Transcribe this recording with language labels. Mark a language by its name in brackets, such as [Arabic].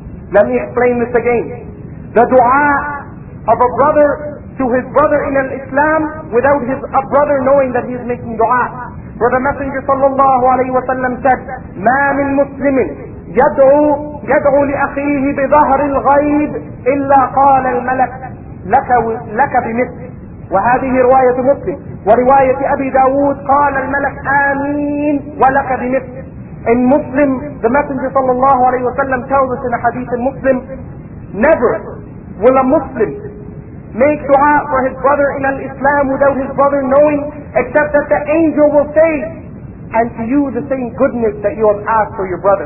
[English] Let me explain this again. The dua of a brother to his brother in Islam without his a brother knowing that he is making dua. For the Messenger sallallahu alayhi wa sallam said, [Arabic] مَا مِن مُسْلِمٍ يَدْعُ لِأَخِيهِ بِظَهْرِ الْغَيْبِ إِلَّا قَالَ الْمَلَكُ لَكَ بِمِثْلِ. وهذه رواية مسلم ورواية أبي داود قال الملك آمين ولك بمثل. [English] In Muslim, the Messenger [Arabic] صلى الله عليه وسلم [English] tells us in a hadith in Muslim, never will a Muslim make dua for his brother in Islam without his brother knowing, except that the angel will say, and to you the same goodness that you have asked for your brother.